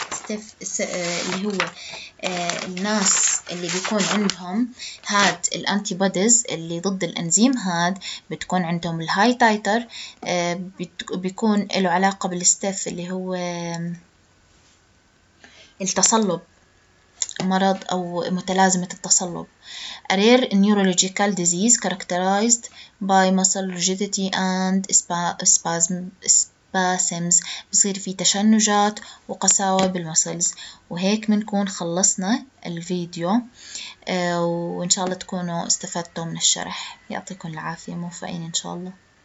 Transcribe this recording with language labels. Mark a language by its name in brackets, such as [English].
[Arabic] اللي هو الناس اللي بيكون عندهم هاد الانتيبوديز اللي ضد الانزيم هاد بتكون عندهم الهاي تايتر بيكون له علاقة بالستيف اللي هو التصلب مرض او متلازمة التصلب. [English] A rare neurological disease characterized by muscle rigidity and spasms. [Arabic] بصير في تشنجات وقساوة بالمسلز. وهيك منكون خلصنا الفيديو وإن شاء الله تكونوا استفدتوا من الشرح. يعطيكم العافية، موفقين إن شاء الله.